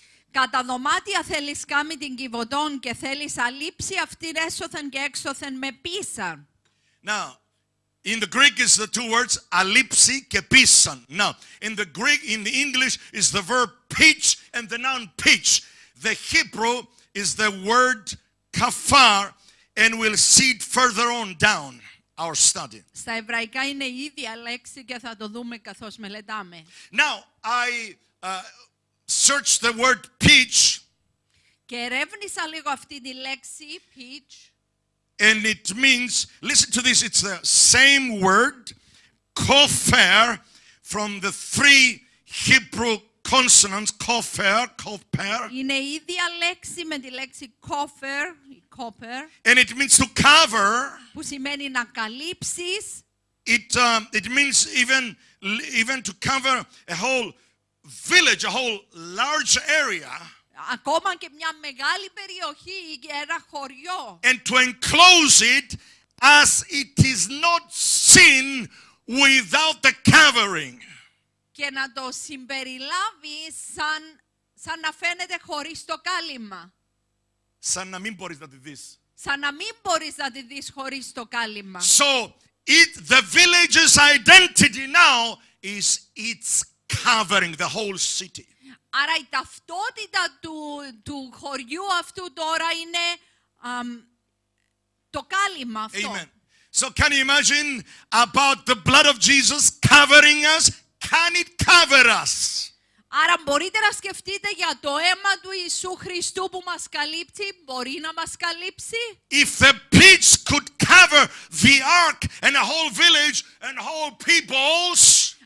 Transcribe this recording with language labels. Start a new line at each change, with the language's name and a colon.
Greek: Κατά δωμάτια θέλεις κάμι την κυβωτών και θέλεις αλήψη αυτήν έσωθεν και έξωθεν με πίσα.
English: Now, in the Greek is the two words alipsi και pisan. Now, in the Greek, in the English is the verb pitch and the noun pitch. The Hebrew is the word kafar, and we'll see it further on down our study.
Greek: Στα εβραϊκά είναι η ίδια λέξη και θα το δούμε καθώς μελετάμε.
English: Now, I searched the word pitch.
Greek: Και ερεύνησα λίγο αυτή τη λέξη pitch.
English: And it means, listen to this, it's the same word, kofer, from the three Hebrew consonants, kofer.
Greek: Είναι η ίδια λέξη με τη λέξη kofer, koper.
English: And it means to cover.
Greek: Που σημαίνει να καλύψεις.
English: It means even to cover a whole village, a whole large area.
Greek: Ακόμα και μια μεγάλη περιοχή ή και ένα χωριό.
English: And to enclose it as it is not seen without the covering.
Greek: Και να το συμπεριλάβει σαν να φαίνεται χωρίς το κάλυμα. Σαν να μην μπορείς να τη δεις. Σαν να μην μπορείς να τη δεις χωρίς το κάλυμα.
English: So the village's identity now is its covering, the whole city.
Greek: Άρα η ταυτότητα του χωριού αυτού τώρα είναι το κάλυμα αυτό.
English: Amen. So can you imagine about the blood of Jesus covering us? Can it cover us?
Greek: Άρα μπορείτε να σκεφτείτε για το αίμα του Ιησού Χριστού που μας καλύπτει, μπορεί να μας καλύψει?
English: If the pitch could cover the ark and a whole village and whole peoples,